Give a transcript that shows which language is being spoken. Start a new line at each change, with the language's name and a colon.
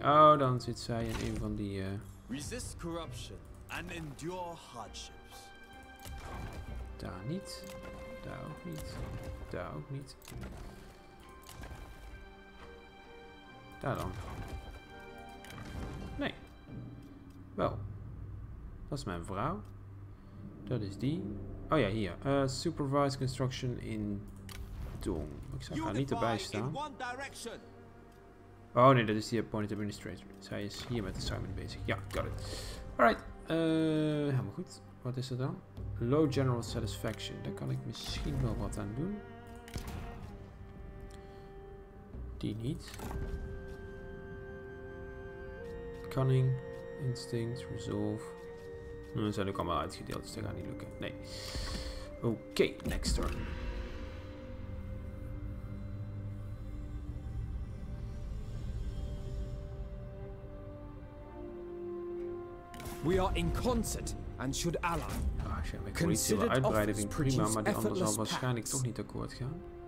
Dutch: Oh, dan zit zij in een van die...
English: Resist corruption and endure hardships.
Dutch: Daar niet. Daar ook niet. Daar ook niet. Daar dan. Nee. Wel. Dat is mijn vrouw. Dat is die. Oh ja, hier.
English: Supervise construction in Dong.
Dutch: Ik zou haar niet erbij staan. Oh nee, dat is die appointed administrator. Zij is hier met assignment bezig. Ja,
English: got it. Alright.
Dutch: Helemaal goed. Wat is er dan?
English: Low general satisfaction.
Dutch: Daar kan ik misschien wel wat aan doen. Die niet.
English: Cunning, instinct, resolve.
Dutch: Nu zijn ook allemaal uitgedeeld, dus dat gaat niet lukken. Nee. Oké, okay,
English: next turn. We are in concert and should ally.
Dutch: Ah, shit, mijn uitbreiden vind ik prima, maar die ander zal waarschijnlijk toch niet akkoord gaan.